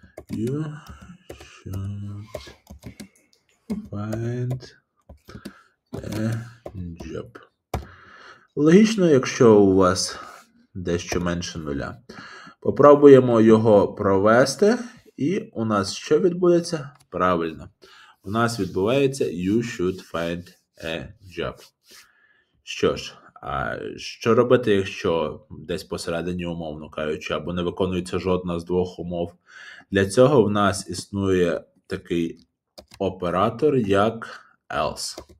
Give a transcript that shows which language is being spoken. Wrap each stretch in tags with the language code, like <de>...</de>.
<en>You should find job.</en> <uk>Логічно, якщо у вас дещо менше нуля. Попробуємо його провести І у нас що відбудеться? Правильно. У нас відбувається</uk> <en>«You should find a job».</en> <uk>Що ж, а що робити, якщо десь посередині, умовно кажучи, або не виконується жодна з двох умов? Для цього в нас існує такий оператор, як «else».</uk>